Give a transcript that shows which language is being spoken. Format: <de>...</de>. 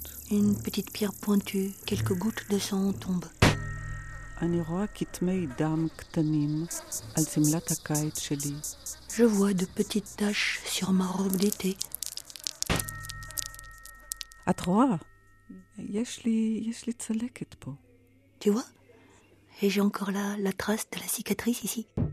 <fr>Une petite pierre pointue, quelques gouttes de sang tombent.</fr> <he>אני רואה כתמי דם קטנים על שמלת הקיץ שלי.</he> <fr>Je vois de petites taches sur ma robe d'été.</fr> <he>את רואה? Yeshli tzalekit po.</he> <fr>Tu vois? Et j'ai encore là la trace de la cicatrice ici.</fr>